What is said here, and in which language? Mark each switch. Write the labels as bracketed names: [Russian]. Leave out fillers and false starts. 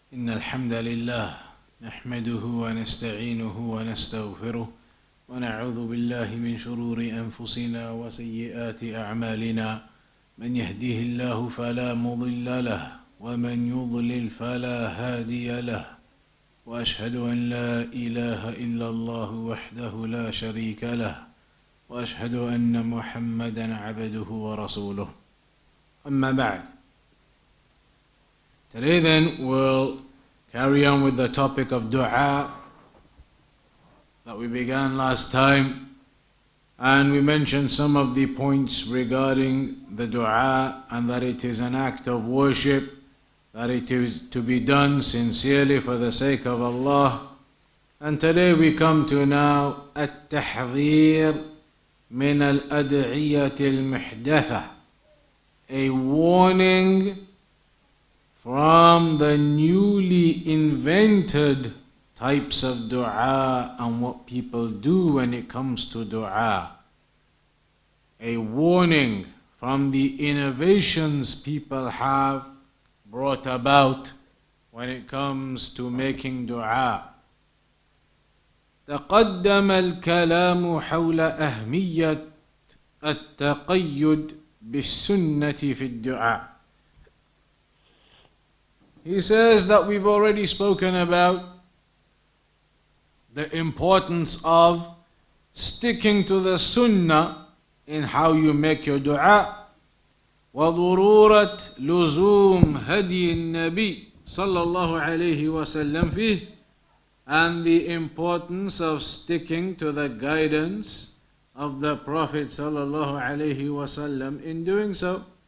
[Arabic] إن الحمد لله نحمده ونستعينه ونستغفره ونعوذ بالله من شرور أنفسنا وسيئات أعمالنا من يهديه الله فلا مضل له ومن يضلل فلا هادي له وأشهد أن لا إله إلا الله وحده لا شريك له وأشهد أن محمدا عبده ورسوله أما بعد. [English] Today then we'll carry on with the topic of dua that we began last time, and we mentioned some of the points regarding the dua, and that it is an act of worship, that it is to be done sincerely for the sake of Allah. And today we come to now [Arabic] التحذير من الأدعية المحدثة, [English] a warning from the newly invented types of dua and what people do when it comes to dua. A warning from the innovations people have brought about when it comes to making dua. [Arabic] تقدم الكلام حول أهمية التقيد بالسنة في الدعاء. [English] He says that we've already spoken about the importance of sticking to the sunnah in how you make your dua. [Arabic] وضرورة لزوم هدي النبي صلى الله عليه وسلم فيه, [English] and the importance of sticking to the guidance of the Prophet صلى الله عليه وسلم in doing so.